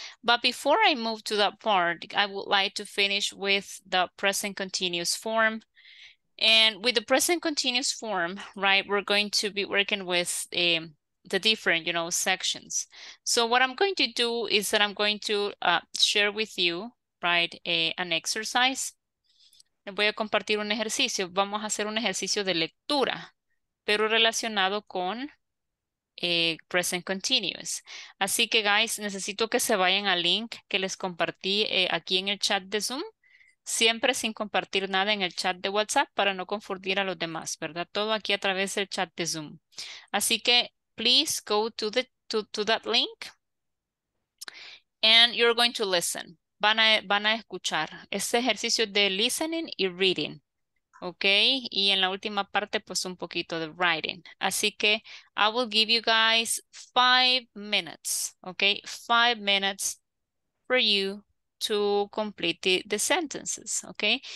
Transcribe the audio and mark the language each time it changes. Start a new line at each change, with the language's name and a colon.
English: But before I move to that part, I would like to finish with the present continuous form. And with the present continuous form, right, we're going to be working with the different, you know, sections. So what I'm going to do is that I'm going to share with you, right, an exercise.
Spanish: Les voy a compartir un ejercicio. Vamos a hacer un ejercicio de lectura, pero relacionado con present continuous. Así que, guys, necesito que se vayan al link que les compartí aquí en el chat de Zoom, siempre sin compartir nada en el chat de WhatsApp para no confundir a los demás, ¿verdad? Todo aquí a través del chat de Zoom.
English: Así que, please go to that link and you're going to listen.
Spanish: Van a escuchar este ejercicio de listening y reading, ¿ok? Y en la última parte, pues un poquito de writing.
English: Así que I will give you guys 5 minutes, ¿ok? 5 minutes for you to complete the sentences, ¿ok?